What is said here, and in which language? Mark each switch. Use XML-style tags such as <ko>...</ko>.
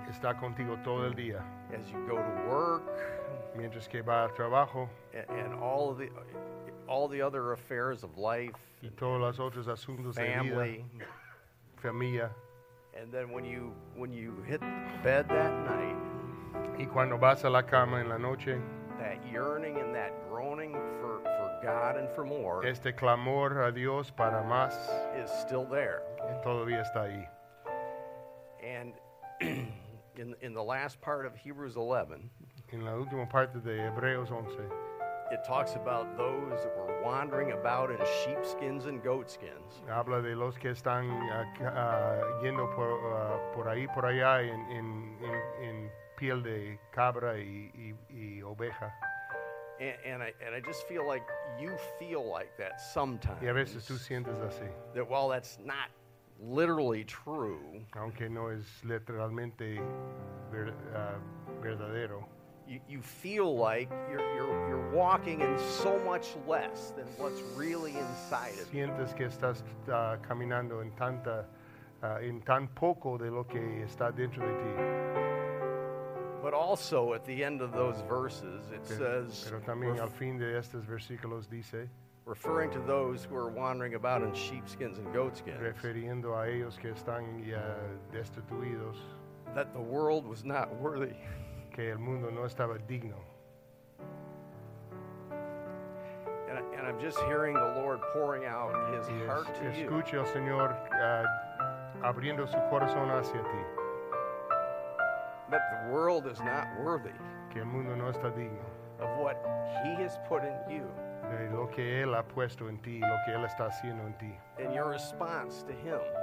<es>Está contigo todo el día.</es> <en>As you go to work,</en> <es>mientras que va al trabajo,</es> <en>and all the other affairs of life,</en> <es>y todos los otros asuntos</es> <en>family,</en> <es>de vida, familia,</es> <en>and then when you hit bed that night,</en> <es>y cuando vas a la cama en la noche,</es> <en>that yearning and that groaning for God and for more,</en> <es>este clamor a Dios para más,</es> <en>is still there.</en> <es>Todavía está ahí.</es> <en>And in the last part of Hebrews 11,</en> <es>en la última parte de Hebreos 11,</es> <en>it talks about those that were wandering about in sheepskins and goatskins.</en> <es>Habla de los que están yendo por ahí por allá en piel de cabra y oveja.</es> <en>And I just feel like you feel like that sometimes.</en> <es>Y a veces tú sientes así.</es> <en>That while that's not literally true,</en> <es>aunque no es literalmente verdadero,</es> <en>you feel like you're walking in so much less than what's really inside of you.</en> <es>Sientes que estás caminando en tan poco de lo que está dentro de ti.</es> <en>But also at the end of those verses, it says,</en> <es>pero también al fin de estos versículos dice,</es> <en>referring to those who are wandering about in sheepskins and goatskins,</en> <es>refiriendo a ellos que están ya destituidos,</es> <en>that the world was not worthy.</en> <es>Que el mundo no estaba digno.</es> <en>And I'm just hearing the Lord pouring out his heart to you.</en> <es>Escucho al Señor abriendo su corazón hacia ti.</es> <en>That the world is not worthy,</en> <es>que el mundo no está digno,</es> <en>of what he has put in you,</en> <es>de lo que él ha puesto en ti, lo que él está haciendo en ti,</es> <en>and your response to him,</en>